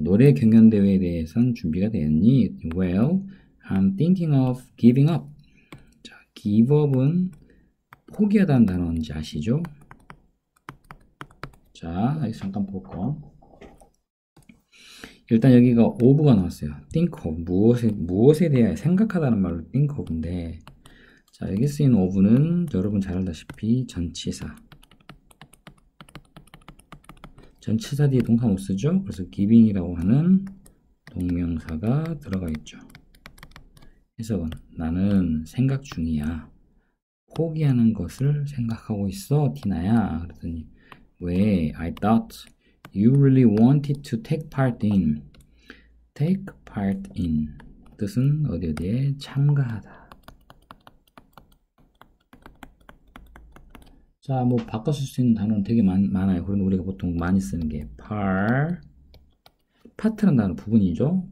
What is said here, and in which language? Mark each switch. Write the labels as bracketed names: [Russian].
[Korean] 노래 경연대회에 대해선 준비가 되었니? [English] Well, I'm thinking of giving up. [Korean] 자, give up은 포기하다는 단어인지 아시죠? 자, 여기 잠깐 볼까? 일단 여기가 of가 나왔어요. think of, 무엇에 대해 생각하다는 말로 think of인데, 자, 여기 쓰인 of는 여러분 잘 알다시피 전치사. 전치사 뒤에 동사 못 쓰죠? 그래서 giving이라고 하는 동명사가 들어가 있죠. 해석은 나는 생각 중이야. 포기하는 것을 생각하고 있어, 디나야. 그랬더니 왜? [English] I thought you really wanted to take part in. [Korean] Take part in 뜻은 어디 어디에 참가하다. 자, 뭐, 바꿔 쓸수 있는 단어는 되게 많아요. 그런데 우리가 보통 많이 쓰는 게, part라는 단어 부분이죠.